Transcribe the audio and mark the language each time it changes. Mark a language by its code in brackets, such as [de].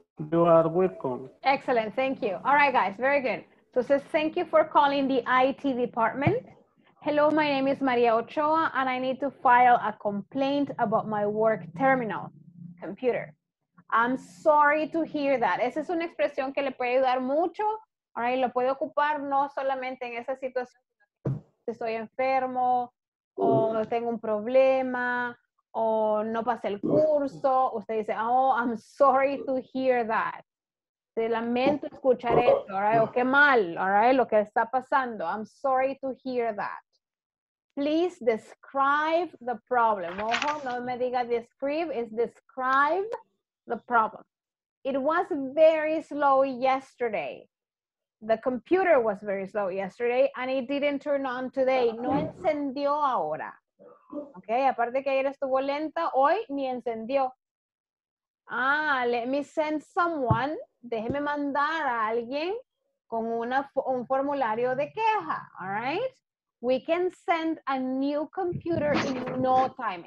[en] You are welcome. Excellent, thank you. All right, guys, very good. So it says, thank you for calling the IT department. Hello, my name is Maria Ochoa, and I need to file a complaint about my work terminal computer. I'm sorry to hear that. [es] Esa es una expresión que le puede ayudar mucho. [en] All right, [es] lo puede ocupar no solamente en esa situación. Estoy enfermo, o tengo un problema, o no pasé el curso. Usted dice, [en] oh, I'm sorry to hear that. [es] Te lamento escuchar esto, [en] all right? [es] O qué mal, all right? Lo que está pasando. [en] I'm sorry to hear that. Please describe the problem. [es] Ojo, no me diga describe, [en] is describe the problem. It was very slow yesterday. The computer was very slow yesterday and it didn't turn on today. [es] No encendió ahora. Okay, aparte que ayer estuvo lenta, hoy ni encendió. Ah, [en] let me send someone. [es] Déjeme mandar a alguien con un formulario de queja. [en] All right? We can send a new computer in no time.